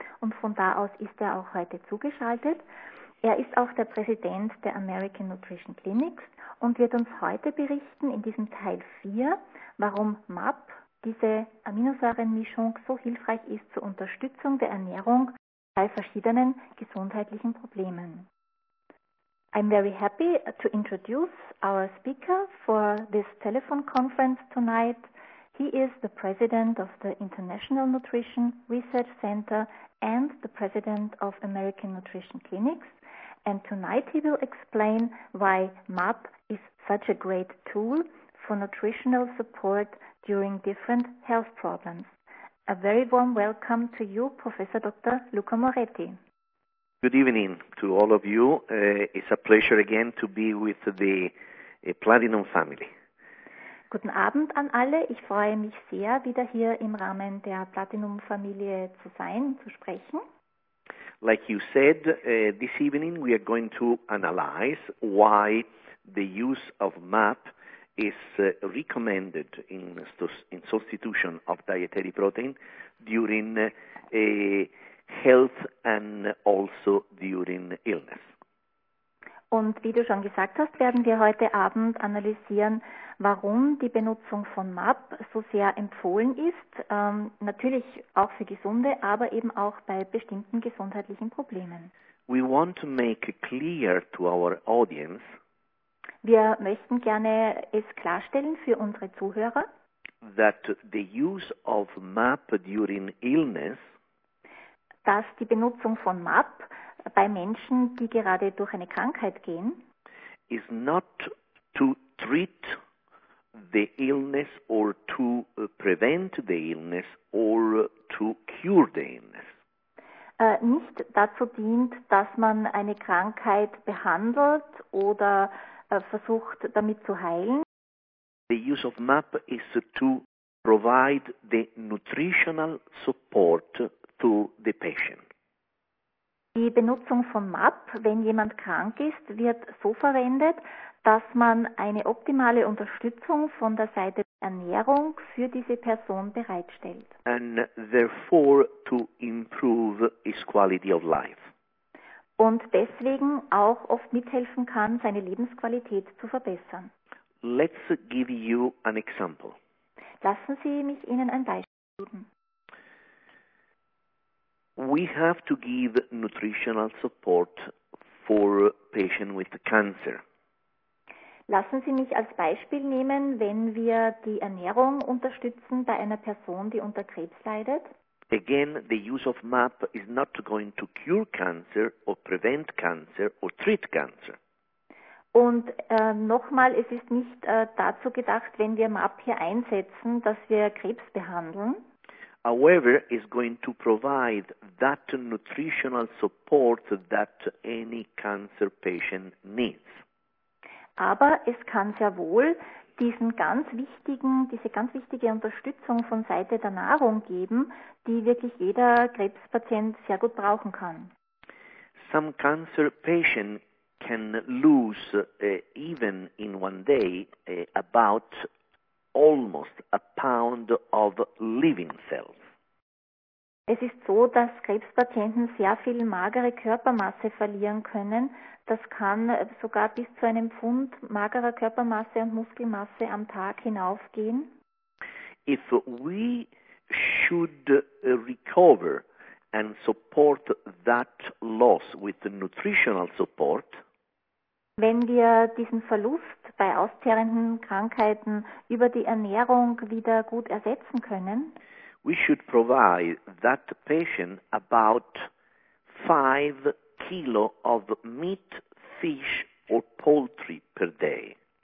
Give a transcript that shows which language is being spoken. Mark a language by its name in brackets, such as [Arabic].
[German] Und von da aus ist er auch heute zugeschaltet. Er ist auch der Präsident der American Nutrition Clinics und wird uns heute berichten in diesem Teil 4, warum MAP, diese Aminosäurenmischung, so hilfreich ist zur Unterstützung der Ernährung bei verschiedenen gesundheitlichen Problemen. [English] I'm very happy to introduce our speaker for this telephone conference tonight. He is the president of the International Nutrition Research Center and the president of American Nutrition Clinics. And tonight he will explain why MAP is such a great tool for nutritional support during different health problems. A very warm welcome to you, Professor Dr. Luca Moretti. Good evening to all of you. It's a pleasure again to be with the Platinum family. [German] Guten Abend an alle. Ich freue mich sehr, wieder hier im Rahmen der Platinum-Familie zu sein, zu sprechen. [English] Like you said, this evening we are going to analyze why the use of MAP is recommended in substitution of dietary protein during a health and also during illness. [German] Und wie du schon gesagt hast, werden wir heute Abend analysieren, warum die Benutzung von MAP so sehr empfohlen ist, natürlich auch für Gesunde, aber eben auch bei bestimmten gesundheitlichen Problemen. [English] We want to make clear to our audience, [German] wir möchten gerne es klarstellen für unsere Zuhörer, [English] that the use of MAP during illness, [German] dass die Benutzung von MAP bei Menschen, die gerade durch eine Krankheit gehen, [English] is not to treat the illness or to prevent the illness or to cure the illness. [German] Nicht dazu dient, dass man eine Krankheit behandelt oder versucht, damit zu heilen. [English] The use of MAP is to provide the nutritional support to the patient. [German] Die Benutzung von MAP, wenn jemand krank ist, wird so verwendet, dass man eine optimale Unterstützung von der Seite der Ernährung für diese Person bereitstellt. [English] And therefore to improve his quality of life. [German] Und deswegen auch oft mithelfen kann, seine Lebensqualität zu verbessern. [English] Let's give you an example. [German] Lassen Sie mich Ihnen ein Beispiel geben. [English] We have to give nutritional support for patients with cancer. [German] Lassen Sie mich als Beispiel nehmen, wenn wir die Ernährung unterstützen bei einer Person, die unter Krebs leidet. [English] Again, the use of MAP is not going to cure cancer or prevent cancer or treat cancer. [German] Und nochmal, es ist nicht dazu gedacht, wenn wir MAP hier einsetzen, dass wir Krebs behandeln. [English] However, is going to provide that nutritional support that any cancer patient needs. [German] Aber es kann sehr wohl diese ganz wichtige Unterstützung von Seite der Nahrung geben, die wirklich jeder Krebspatient sehr gut brauchen kann. [English] Some cancer patient can lose even in one day about almost a pound of living cells. [German] Es ist so, dass Krebspatienten sehr viel magere Körpermasse verlieren können. Das kann sogar bis zu einem Pfund magerer Körpermasse und Muskelmasse am Tag hinaufgehen. [English] If we should recover and support that loss with the nutritional support, [German] wenn wir diesen Verlust bei austerenden Krankheiten über die Ernährung wieder gut ersetzen können, [English] we should provide that patient about 5 kilo of meat, fish or poultry per day.